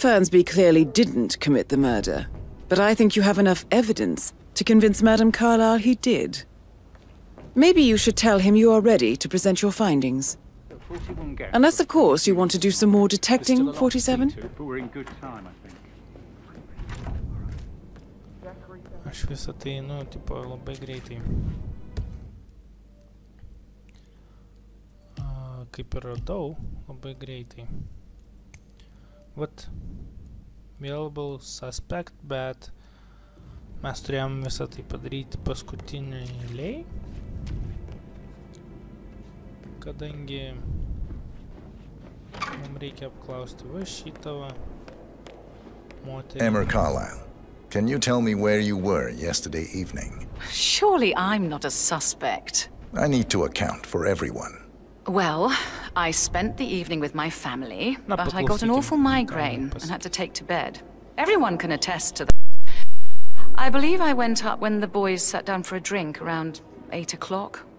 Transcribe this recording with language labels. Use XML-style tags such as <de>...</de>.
<en>Fernsby clearly didn't commit the murder, but I think you have enough evidence to convince Madame Carlyle he did. Maybe you should tell him you are ready to present your findings. Unless, of course, you want to do some more detecting, 47? We're in good time, I think.</en> <lt>Aš visą tai, nu, tipo, labai greitai. Kaip ir radau, labai greitai.</lt> <en>What? Available suspect,</en> <lt>bet mes turėjom visą tai padaryti paskutinį eilėj. Kadangi mum reikia apklausti va šitą va moterį.</lt> <en>Emma Carlyle, can you tell me where you were yesterday evening? Surely I'm not a suspect. I need to account for everyone. Well, I spent the evening with my family, but I got an awful migraine and had to take to bed. Everyone can attest to that. I believe I went up when the boys sat down for a drink around 8 o'clock.</en>